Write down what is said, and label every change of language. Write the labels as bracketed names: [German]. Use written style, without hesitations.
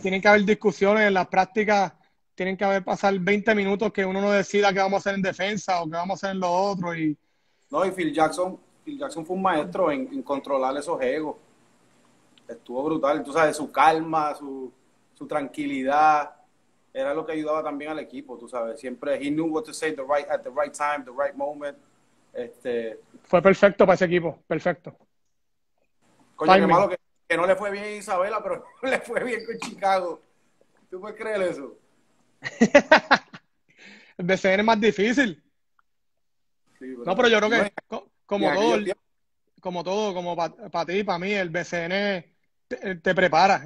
[Spanish] tienen que haber discusiones en las prácticas, tienen que haber pasar 20 minutos que uno no decida qué vamos a hacer en defensa o qué vamos a hacer en lo otro. Y... No, y Phil Jackson fue un maestro en controlar esos egos. Estuvo brutal, tú sabes, su calma, su tranquilidad, era lo que ayudaba también al equipo, tú sabes. Siempre, [English] he knew what to say at the right time, the right moment. [Spanish] Fue perfecto para ese equipo, perfecto. Coño, qué malo que no le fue bien a Isabela, pero le fue bien con Chicago. ¿Tú puedes creer eso? El BCN es más difícil. Sí, pero no, pero yo creo que como todo, para ti, para mí, el BCN te prepara.